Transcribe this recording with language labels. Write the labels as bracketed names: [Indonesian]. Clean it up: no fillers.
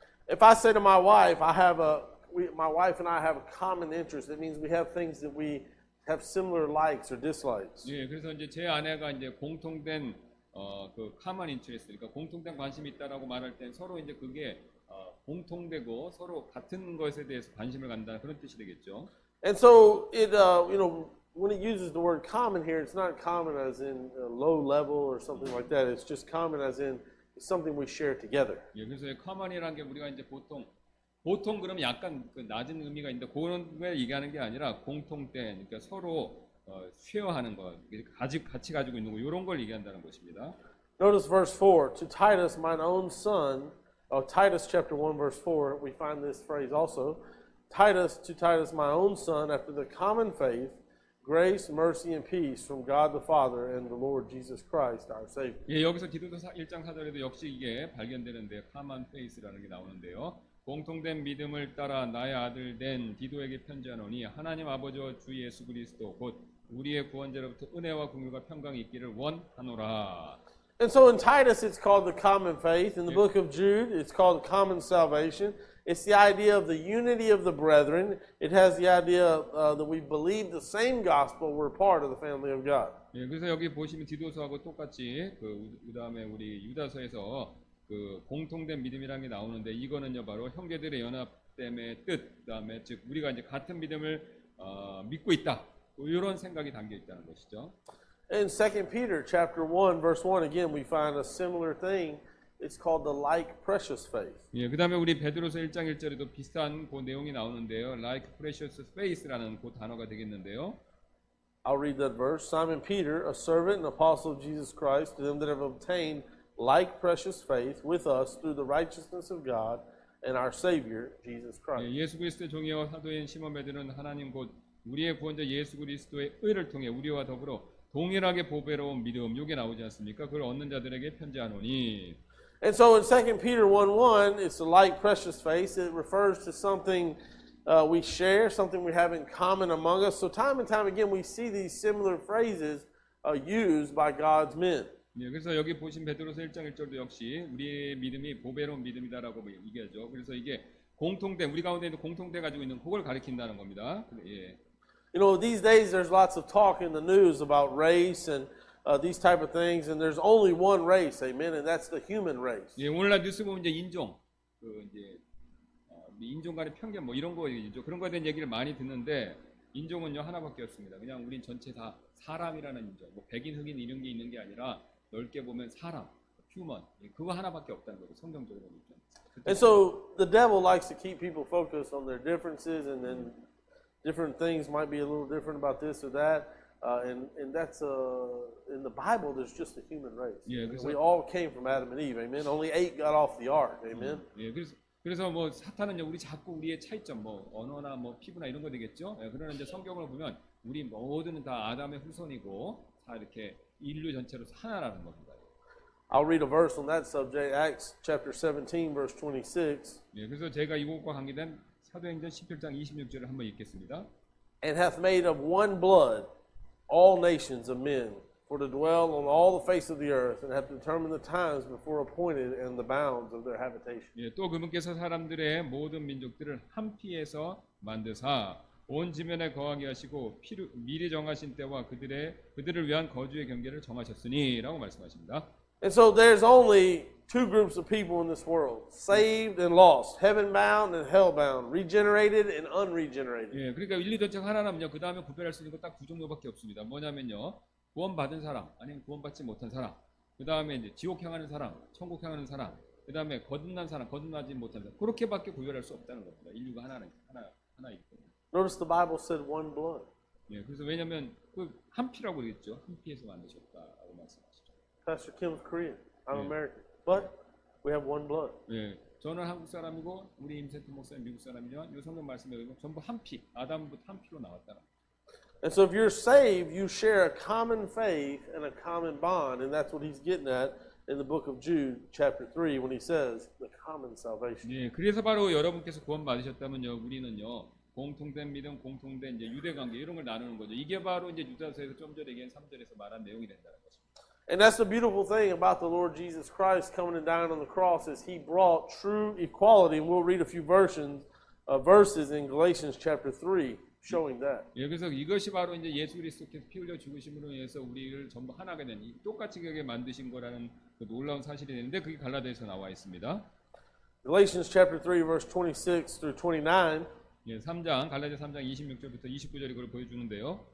[English] If I say to my wife, I have a, my wife and I have a common interest. That means we have things that we have similar likes or dislikes. [Korean] 예, 그래서 이제 제 아내가 이제 공통된 그 [English] common interest, [Korean] 그러니까 공통된 관심이 있다라고 말할 때 서로 이제 그게 공통되고 서로 같은 것에 대해서 관심을 갖는다 그런 뜻이 되겠죠. [English] And so it, you know, when it uses the word common here, it's not common as in low level or something like that. It's just common as in something we share together. [Korean] 예, 그래서 common이라는 게 우리가 이제 보통 그럼 약간 그 낮은 의미가 있는데 그런 걸 얘기하는 게 아니라 공통된, 그러니까 서로 쉐어하는 것, 같이 가지고 있는 거 이런 걸 얘기한다는 것입니다. [English] Notice verse 4, to Titus, my own son, Titus chapter 1 verse 4, we find this phrase also, Titus, to Titus, my own son, after the common faith, grace, mercy, and peace from God the Father and the Lord Jesus Christ, our Savior. [Korean] 예, 여기서 디도서 1장 4절에도 역시 이게 발견되는데, [English] common faith [Korean] 라는 게 나오는데요. 공통된 믿음을 따라 나의 아들 된 디도에게 편지하노니 하나님 아버지와 주 예수 그리스도 곧 우리의 구원자로부터 은혜와 긍휼과 평강이 있기를 원하노라. [English] And so in Titus it's called the common faith. In the book of Jude it's called common salvation. It's the idea of the unity of the brethren. It has the idea that we believe the same gospel. We're part of the family of God. [Korean] 예, 그래서 여기 보시면 디도서하고 똑같이 그 다음에 우리 유다서에서 그 공통된 믿음이라는 게 나오는데 이거는요 바로 형제들의 연합 때문에 뜻 그다음에 즉 우리가 이제 같은 믿음을 믿고 있다 이런 생각이 담겨 있다는 것이죠. [English] In 2 Peter chapter 1 verse 1 again we find a similar thing. It's called the like precious faith. [Korean] 예, 그다음에 우리 베드로서 1장 1절에도 비슷한 그 내용이 나오는데요. [English] Like precious faith [Korean] 라는 그 단어가 되겠는데요. [English] I'll read that verse. Simon Peter, a servant and apostle of Jesus Christ, to them that have obtained like precious faith with us through the righteousness of God and our Savior Jesus Christ. [Korean] 예, 예수 그리스도의 종이요 사도인 시몬 베드로는 하나님 곧 우리의 구원자 예수 그리스도의 의를 통해 우리와 더불어 동일하게 보배로운 믿음 요게 나오지 않습니까? 그걸 얻는 자들에게 편지하노니. [English] And so in 2 Peter 1:1, it's a like precious faith. It refers to something we share, something we have in common among us. So time and time again, we see these similar phrases used by God's men. [Korean] 예, 그래서 여기 보신 베드로서 1장 1절도 역시 우리의 믿음이 보배로운 믿음이다라고 얘기하죠. 그래서 이게 공통된 우리 가운데 있는 공통돼 가지고 있는 그걸 가리킨다는 겁니다. 예. [English] You know, these days there's lots of talk in the news about race and these type of things, and there's only one race, amen, and that's the human race. [Korean] 예, 오늘날 뉴스 보면 이제 인종, 그 이제 인종 간의 편견 뭐 이런 거 얘기죠. 그런 거에 대한 얘기를 많이 듣는데 인종은요 하나밖에 없습니다. 그냥 우린 전체 다 사람이라는 인종, 뭐 백인, 흑인 이런 게 있는 게 아니라 넓게 보면 사람, human, 그거 하나밖에 없다는 거죠. 성경적으로 보면. [English] And so the devil likes to keep people focused on their differences, and then different things might be a little different about this or that. And that's in the Bible. There's just a human race. [Korean] 예, 그래서, [English] we all came from Adam and Eve. Amen. Only eight got off the ark. Amen. [Korean] 예, 그래서 뭐 사탄은요, 우리 자꾸 우리의 차이점, 뭐 언어나 뭐 피부나 이런 거 되겠죠. 예, 그러나 이제 성경을 보면 우리 모두는 다 아담의 후손이고 다 이렇게 인류 전체로서 하나라는 겁니다. [English] I'll read a verse on that subject, Acts chapter 17, verse 26. [Korean] 예, 그래서 제가 이곳과 관계된 사도행전 17장 26절을 한번 읽겠습니다. [English] And hath made of one blood all nations of men for to dwell on all the face of the earth, and hath determined the times before appointed and the bounds of their habitation. [Korean] 예, 또 그분께서 사람들의 모든 민족들을 한 피에서 만드사 온 지면에 거하게 하시고 미리 정하신 때와 그들을 위한 거주의 경계를 정하셨으니라고 말씀하십니다. [English] And so there's only two groups of people in this world, saved and lost, heaven bound and hell bound, regenerated and unregenerated. [Korean] 예, 그러니까 인류 전체가 하나라면요, 그 다음에 구별할 수 있는 거 딱 두 종류밖에 없습니다. 뭐냐면요, 구원받은 사람 아니면 구원받지 못한 사람, 그 다음에 이제 지옥 향하는 사람, 천국 향하는 사람, 그 다음에 거듭난 사람, 거듭나지 못한 사람, 그렇게밖에 구별할 수 없다는 겁니다. 인류가 하나이기 때문에. [English] Notice the Bible said one blood. [Korean] 예, 그래서 왜냐면 그 한 피라고 그랬죠. 한 피에서 만드셨다라고 말씀하시죠. [English] Pastor Kim's Korean. I'm [Korean] 예. [English] American. But we have one blood. [Korean] 예, 저는 한국 사람이고 우리 임세태 목사님 미국 사람이면 요 성경 말씀에 의하면 전부 한 피, 아담부터 한 피로 나왔다. [English] And so if you're saved, you share a common faith and a common bond, and that's what he's getting at in the book of Jude chapter 3 when he says the common salvation. [Korean] 네, 그래서 바로 여러분께서 구원 받으셨다면요, 우리는요. 공통된 믿음, 공통된 이제 유대 관계 이런 걸 나누는 거죠. 이게 바로 이제 유다서에서 좀 전에 얘기한 3절에서 말한 내용이 된다는 거죠. [English] And that's the beautiful thing about the Lord Jesus Christ coming and dying on the cross is he brought true equality. And we'll read a few verses in Galatians chapter 3 showing that. [Korean] 예, 그래서 이것이 바로 이제 예수 그리스도께서 피 흘려 죽으심으로 인해서 우리를 전부 하나가 된 똑같이 되게 만드신 거라는 그 놀라운 사실이 되는데 그게 갈라디아서 나와 있습니다. [English] Galatians chapter 3 verse 26 through 29. [Korean] 예, 3장 갈라디아 3장 26절부터 29절이 그걸 보여주는데요.